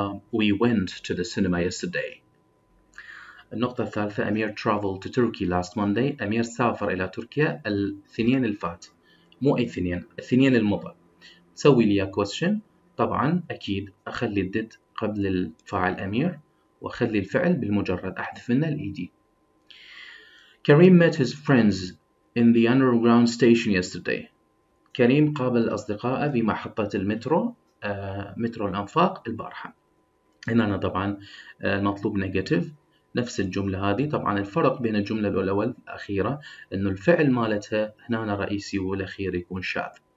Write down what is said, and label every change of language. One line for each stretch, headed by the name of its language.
English: We went to the cinema yesterday.
Arabic: النقطة الثالثة،
English: أمير traveled to Turkey last Monday.
Arabic: أمير سافر إلى تركيا الاثنين الفات، مو أي اثنين، الاثنين المضى. تسوي لي question، طبعا أكيد أخلي did قبل الفاعل أمير وأخلي الفعل بالمجرد، أحذف منه الإي دي.
English: كريم met his friends in the underground station yesterday.
Arabic: كريم قابل أصدقائه في محطة المترو، مترو الأنفاق البارحة. هنا أنا طبعا مطلوب نيجاتيف نفس الجملة هذه. طبعا الفرق بين الجملة الأولى والأخيرة أنه الفعل مالتها هنا أنا رئيسي والأخير يكون شاذ.